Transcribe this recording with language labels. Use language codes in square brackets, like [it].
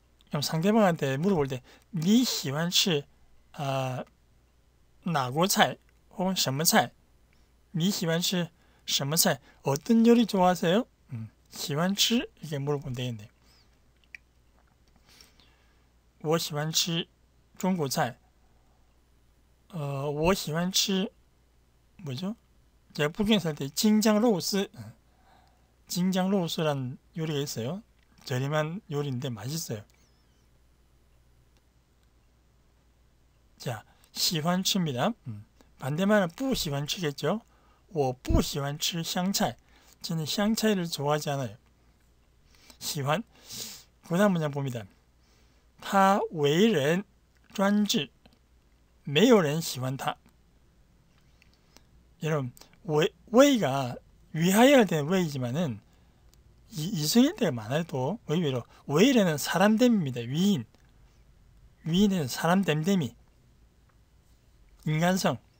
[ko] 그럼 상대방한테 물어볼 때 [zh] 你喜欢吃 哪国菜 [ko] 혹은 什么菜 [zh] 你喜欢吃什么菜 [ko] 어떤 요리 좋아하세요? 喜欢吃 이렇게 물어보면 되겠네. [zh] 我喜欢吃中国菜.我喜欢吃 [ko] 뭐죠? 제가 북경 살 때 징장로스 징장로스란 요리가 있어요. 저렴한 요리인데 맛있어요. 자, 喜欢吃입니다. 반대말은 不喜欢吃겠죠? [zh] 我不喜欢吃香菜. [ko] 저는 香菜를 좋아하지 않아요. 喜欢.그 다음 문장 봅니다. [zh] 他为人专制，没有人喜欢他。 [ko] 여러분, 为가 위하여 할 때는 为이지만은 이승일 때만 해도 의외로 외인에는 사람됨입니다. 위인. 위인에는 사람됨됨이. 인간성.